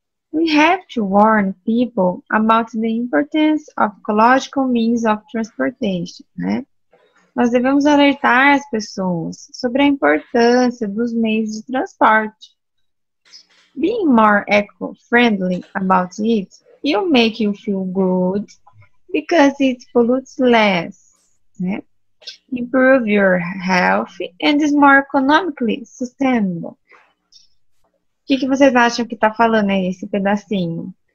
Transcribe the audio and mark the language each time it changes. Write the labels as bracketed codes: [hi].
[en] We have to warn people about the importance of ecological means of transportation, né? [pt] Nós devemos alertar as pessoas sobre a importância dos meios de transporte. [en] Being more eco-friendly about it, you'll make you feel good because it pollutes less, né? Improve your health and is more economically sustainable. [pt] O que vocês acham que está falando aí, esse pedacinho?